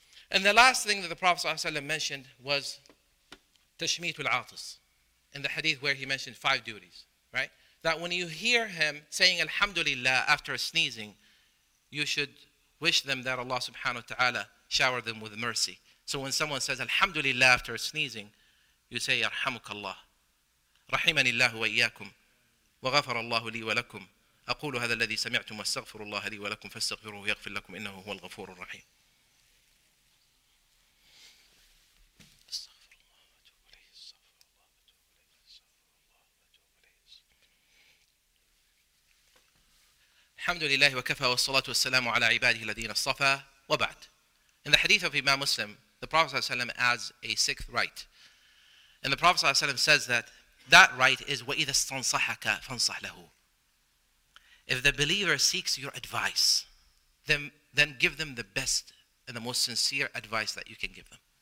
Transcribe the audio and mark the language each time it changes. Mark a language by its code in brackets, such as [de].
[en] And the last thing that the Prophet ﷺ mentioned was [ar] تشميت العاطس, [en] in the hadith where he mentioned five duties, right? That when you hear him saying Alhamdulillah after sneezing, you should wish them that Allah subhanahu wa ta'ala shower them with mercy. So when someone says Alhamdulillah after sneezing, you say Yarhamukallah. [ar] رحمني الله وإياكم وغفر الله لي ولكم أقول هذا الذي سمعتم واستغفر الله لي ولكم فاستغفروه يغفر لكم إنه هو الغفور الرحيم. الحمد لله وكفى والصلاة والسلام على عباده الذين اصطفى وبعد. [en] In the hadith of Imam Muslim, the Prophet ﷺ adds a sixth right. And the Prophet ﷺ says that that right is [ar] وَإِذَا اسْتَنْصَحَكَ فَانْصَحْ لَهُ. [en] If the believer seeks your advice, then give them the best and the most sincere advice that you can give them.